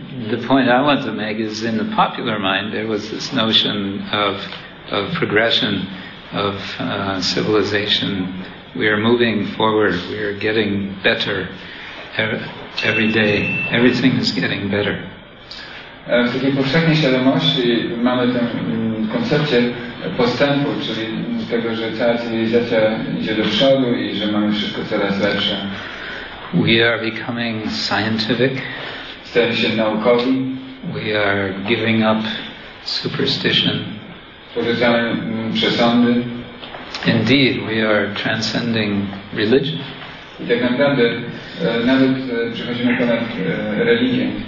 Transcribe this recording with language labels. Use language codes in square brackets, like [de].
[en] The point I want to make is, in the popular mind, there was this notion of progression, of civilization. We are moving forward, we are getting better every day. Everything is getting better. [pl] W takiej powszechnej świadomości mamy ten koncepcję postępu, czyli tego, że cała cywilizacja idzie do przodu i że mamy wszystko coraz lepsze. [en] We are becoming scientific. [pl] Stajemy się naukowi. [en] We are giving up superstition. [pl] Porzucamy przesądy. [en] Indeed, we are transcending religion. [pl] I tak naprawdę nawet przechodzimy ponad religię.